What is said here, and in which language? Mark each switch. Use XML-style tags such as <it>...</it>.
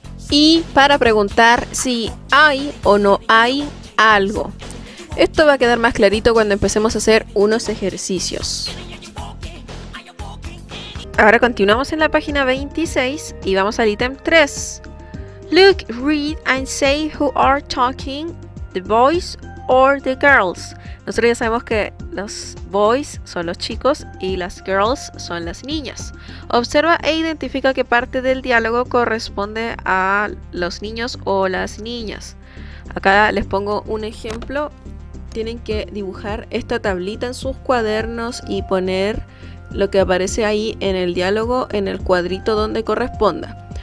<es>Y para preguntar si hay o no hay algo. Esto va a quedar más clarito cuando empecemos a hacer unos ejercicios. Ahora continuamos en la página 26 y vamos al ítem 3.</es> <en>Look, read and say who are talking, the boys or the girls.</en> <es>Nosotros ya sabemos que los boys son los chicos y las girls son las niñas. Observa e identifica qué parte del diálogo corresponde a los niños o las niñas. Acá les pongo un ejemplo. Tienen que dibujar esta tablita en sus cuadernos y poner lo que aparece ahí en el diálogo en el cuadrito donde corresponda.</es>